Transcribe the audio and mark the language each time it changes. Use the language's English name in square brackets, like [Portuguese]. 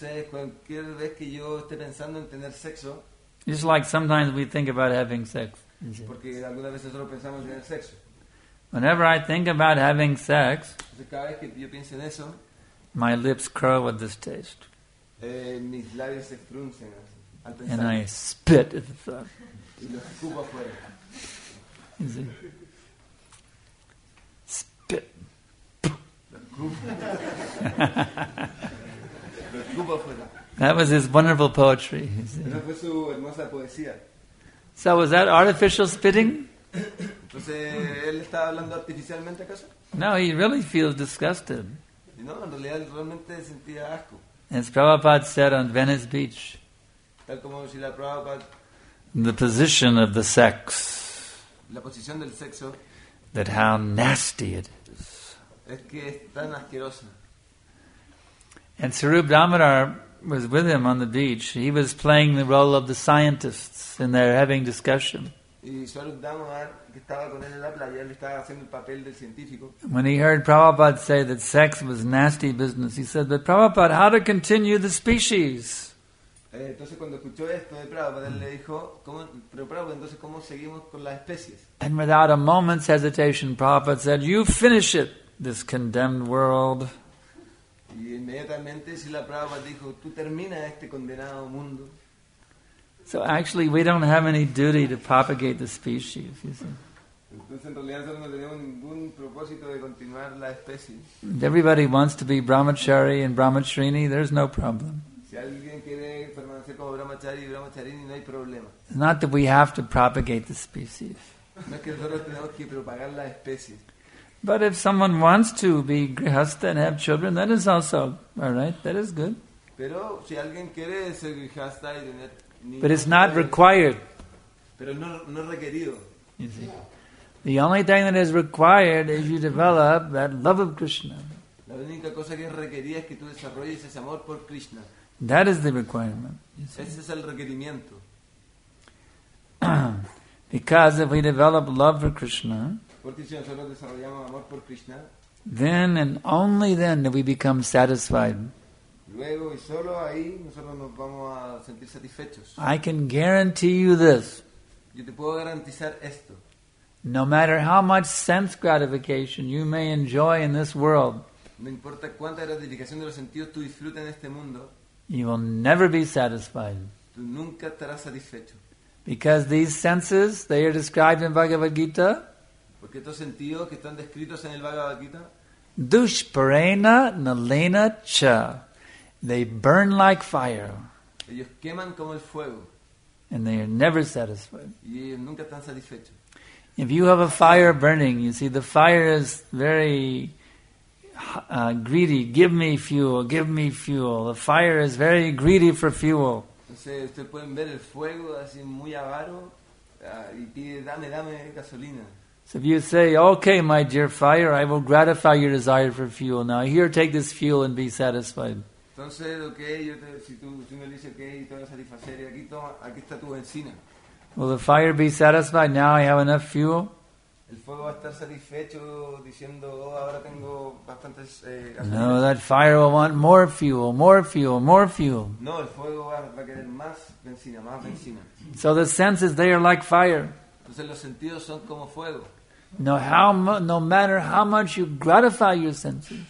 [Spanish] cualquier vez que yo esté pensando en tener sexo, [English] just like sometimes we think about having sex. [Spanish] Porque alguna vez nosotros pensamos en tener sexo. [English] Whenever I think about having sex, [Spanish] cada vez que yo pienso en eso, [English] my lips curl with this taste. [Spanish] Mis labios se fruncen al pensar. [English] And I spit at the thought. [Spanish] Y lo escupo afuera. [English] Is it? Spit. [Spanish] Lo escupo afuera. [English] That was his wonderful poetry. Is it? [Spanish] Esa fue su hermosa poesía. [English] So was that artificial spitting? [Spanish] Entonces, ¿él está hablando artificialmente acaso? [English] No, he really feels disgusted. [Spanish] No, en realidad él realmente sentía asco. [English] As Prabhupada said on Venice Beach, [Spanish] tal como si la Prabhupada, [English] the position of the sex, [Spanish] la posición del sexo, [English] that how nasty it is. [Spanish] Es que es tan asquerosa. [English] And Sarup Damodar was with him on the beach. He was playing the role of the scientists in their having discussion. [Spanish] Y Swarup Damodar, que estaba con él en la playa, él estaba haciendo el papel del científico. [English] When he heard Prabhupada say that sex was nasty business, he said, but Prabhupada, how to continue the species? [Spanish] Entonces cuando escuchó esto de Prabhupada, él le dijo, pero Prabhupada, entonces ¿cómo seguimos con las especies? [English] And without a moment's hesitation, Prabhupada said, you finish it, this condemned world. [Spanish] Y inmediatamente Srila Prabhupada dijo, tú termina este condenado mundo. [English] So actually, we don't have any duty to propagate the species, you see. [Spanish] Entonces, en realidad, no tenemos ningún propósito de continuar la especie. [English] If everybody wants to be brahmachari and brahmachrini, there's no problem. [Spanish] Si alguien quiere permanecer como brahmachari y brahmacharini, no hay problema. [English] It's not that we have to propagate the species. [Spanish] No es que nosotros tenemos que propagar la especie. [English] But if someone wants to be grihastha and have children, that is also all right. That is good. [Spanish] Pero si alguien quiere ser grihastha y tener niños, [English] but it's not required. [Spanish] Pero no, no requerido. [English] You see. The only thing that is required is you develop that love of Krishna. [Spanish] La única cosa que es requerida es que tú desarrolles ese amor por Krishna. [English] That is the requirement. [Spanish] Ese es el requerimiento. [English] Because if we develop love for Krishna, [Spanish] porque si nosotros desarrollamos amor por Krishna, [English] then and only then do we become satisfied. [Spanish] Luego y solo ahí nosotros nos vamos a sentir satisfechos. [English] I can guarantee you this. [Spanish] Yo te puedo garantizar esto. [English] No matter how much sense gratification you may enjoy in this world, [Spanish] no importa cuánta gratificación de los sentidos tú disfrutes en este mundo, [English] you will never be satisfied. [Spanish] Tú nunca estarás satisfecho. [English] Because these senses, they are described in Bhagavad Gita. [Spanish] Porque estos sentidos que están descritos en el Bhagavad Gita, [Sanskrit] dushparena nalena cha, [English] they burn like fire. [Spanish] Ellos queman como el fuego. [English] And they are never satisfied. [Spanish] Y ellos nunca están satisfechos. [English] If you have a fire burning, you see, the fire is very greedy. Give me fuel, give me fuel. The fire is very greedy for fuel. [Spanish] Entonces, ustedes pueden ver el fuego así muy avaro y pide, dame, dame gasolina. [English] So if you say, okay, my dear fire, I will gratify your desire for fuel. Now here, take this fuel and be satisfied. [Spanish] Entonces, okay, yo te, si tú si me dices okay, te voy a satisfacer y aquí, toma, aquí está tu benzina. [English] Will the fire be satisfied? Now I have enough fuel. [Spanish] El fuego va a estar satisfecho diciendo, oh, ahora tengo bastantes [English] No, that fire will want more fuel, more fuel, more fuel. [Spanish] No, el fuego va a querer más benzina, más benzina. [English] So the senses, they are like fire. [Spanish] Entonces los sentidos son como fuego. [English] No matter how much you gratify your senses.